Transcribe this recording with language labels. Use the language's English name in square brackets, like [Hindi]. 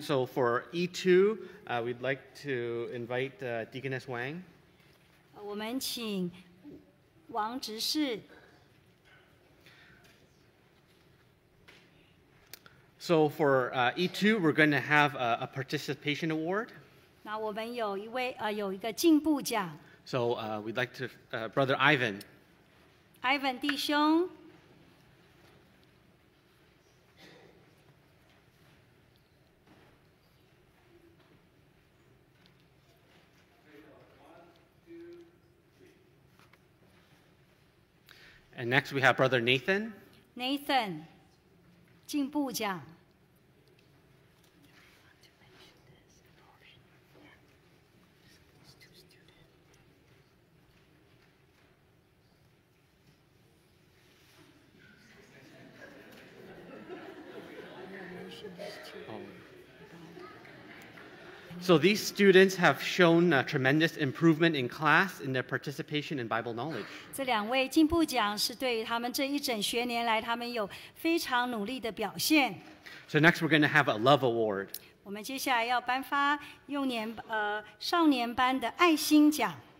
[English] So for E2, we'd like to invite Deaconess Wang. [Chinese] 我们请王执事。 [English] So for E2, we're going to have a participation award. [Chinese] 那我们有一位有一个进步奖。 [English] So we'd like to, Brother Ivan. [Chinese] Ivan 弟兄。 [English] And next we have Brother Nathan. [Chinese] Nathan, 进步奖。 [English] So these students have shown a tremendous improvement in class in their participation in Bible knowledge. [Chinese] 这两位进步奖是对于他们这一整学年来他们有非常努力的表现。 [English] So next we're going to have a love award. [Chinese] 我们接下来要颁发幼年少年班的爱心奖。